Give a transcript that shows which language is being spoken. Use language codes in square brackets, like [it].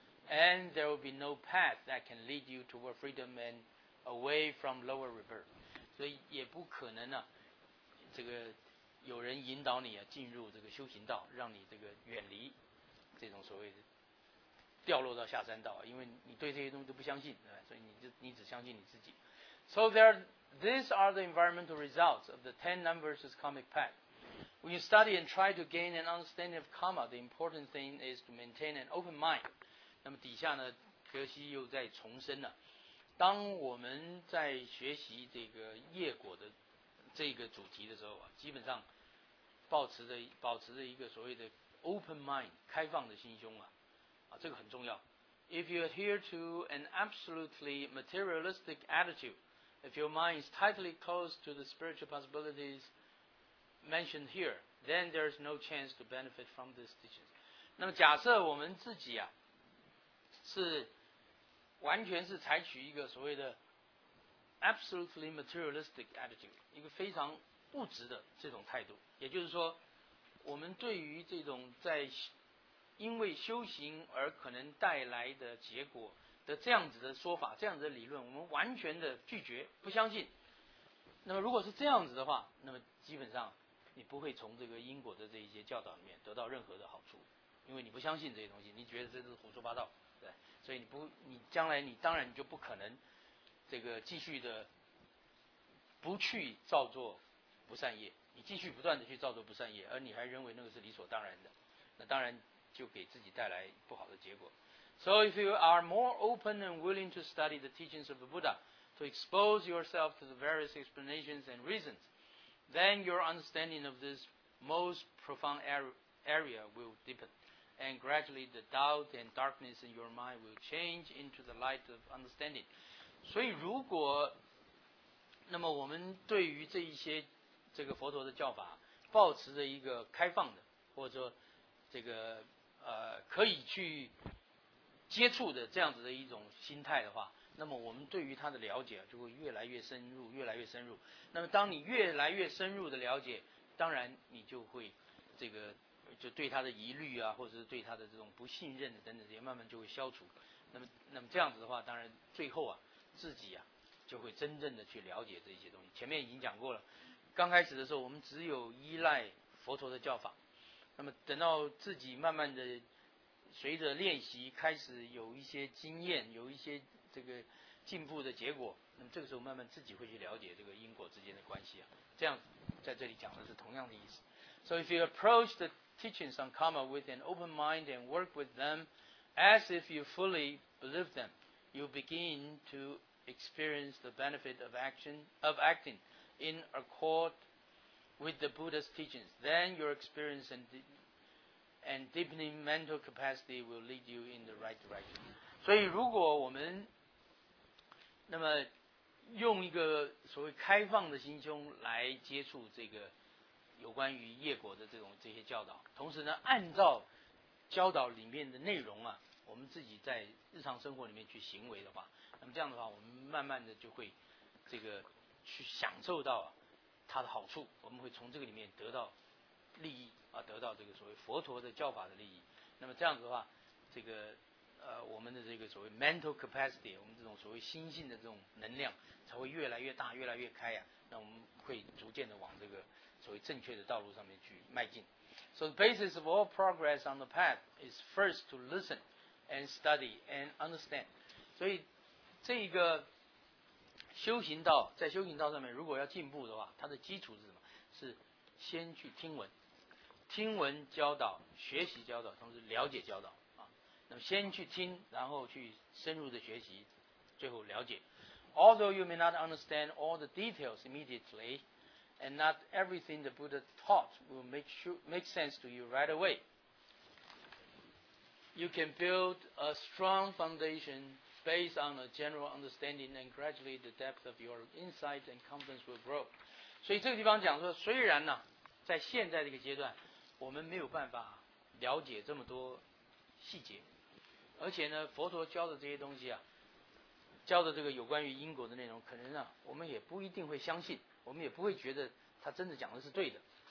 [en] And there will be no path that can lead you toward freedom and away from lower rebirth。 [zh] 所以也不可能呢、啊，这个有人引导你啊进入这个修行道，让你这个远离这种所谓的掉落到下三道，因为你对这些东西都不相信，对吧？所以你只相信你自己。 [en] So these are the environmental results of the ten non-versus karmic path. When you study and try to gain an understanding of karma, the important thing is to maintain an open mind. [zh] 那么底下呢，格西又在重申了、啊。当我们在学习这个业果的这个主题的时候啊，基本上保持着一个所谓的 [en] open mind， [zh] 开放的心胸啊，啊，这个很重要。 [en] If you adhere to an absolutely materialistic attitude, if your mind is tightly closed to the spiritual possibilities mentioned here, then there is no chance to benefit from this teaching. [zh] 那么假设我们自己啊是完全是采取一个所谓的 [en] absolutely materialistic attitude， [zh] 一个非常物质的这种态度，也就是说我们对于这种在因为修行而可能带来的结果的这样子的说法，这样子的理论，我们完全的拒绝不相信。那么如果是这样子的话，那么基本上你不会从这个因果的这一些教导里面得到任何的好处，因为你不相信这些东西，你觉得这是胡说八道，对，所以你将来你当然就不可能这个继续的不去造作不善业，你继续不断的去造作不善业，而你还认为那个是理所当然的，那当然就给自己带来不好的结果。 [en] So if you are more open and willing to study the teachings of the Buddha, to expose yourself to the various explanations and reasons, then your understanding of this most profound area will deepen. And gradually the doubt and darkness in your mind will change into the light of understanding. [zh] 所以如果那么我们对于这一些这个佛陀的教法保持着一个开放的，或者说这个可以去接触的这样子的一种心态的话，那么我们对于他的了解就会越来越深入，越来越深入。那么当你越来越深入的了解，当然你就会这个就对他的疑虑啊，或者是对他的这种不信任等等，也慢慢就会消除。那么这样子的话，当然最后啊，自己啊就会真正的去了解这些东西。前面已经讲过了，刚开始的时候我们只有依赖佛陀的教法，那么等到自己慢慢的随着练习开始有一些经验，有一些这个进步的结果，那么这个时候慢慢自己会去了解这个因果之间的关系啊。这样在这里讲的是同样的意思。 [en] So if you approach the teachings on karma with an open mind and work with them as if you fully believe them, you begin to experience the benefit of acting in accord with the Buddha's teachings. Then your experience and deepening mental capacity will lead you in the right direction. [zh] 所以如果我们那么用一个所谓开放的心胸来接触这个有关于业果的这些教导，同时呢按照教导里面的内容啊，我们自己在日常生活里面去行为的话，那么这样的话我们慢慢的就会这个去享受到、啊、它的好处，我们会从这个里面得到利益啊，得到这个所谓佛陀的教法的利益。那么这样子的话，这个我们的这个所谓 [en] mental capacity， [zh] 我们这种所谓心性的这种能量才会越来越大越来越开啊，那我们会逐渐的往这个所谓正确的道路上面去迈进。 [en] So the basis of all progress on the path is first to listen and study and understand. [zh] 所以这一个修行道，在修行道上面如果要进步的话，它的基础是什么？是先去听闻，听闻教导，学习教导，同时了解教导啊。那么先去听，然后去深入的学习，最后了解。 [en] Although you may not understand all the details immediately, and not everything the Buddha taught will make sense to you right away, you can build a strong foundation based on a general understanding, and gradually the depth of your insight and confidence will grow. [zh] 所以这个地方讲说，虽然呢，在现在这个阶段，我们没有办法了解这么多细节，而且呢，佛陀教的这些东西啊，教的这个有关于因果的内容，可能呢，我们也不一定会相信，我们也不会觉得他真的讲的是对的。